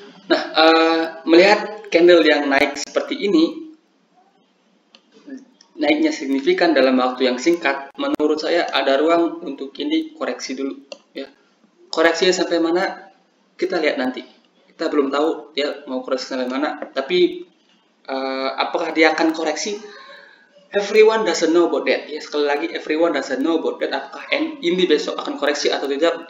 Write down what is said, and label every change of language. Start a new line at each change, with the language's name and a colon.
Indonesian: Nah, melihat candle yang naik seperti ini, naiknya signifikan dalam waktu yang singkat, menurut saya ada ruang untuk ini koreksi dulu ya. Koreksinya sampai mana kita lihat nanti. Kita belum tahu dia mau koreksi sampai mana. Tapi apakah dia akan koreksi?
English: Everyone doesn't know about that.
Indonesian: Ya, sekali lagi,
English: everyone doesn't know about that.
Indonesian: Apakah ini besok akan koreksi atau tidak?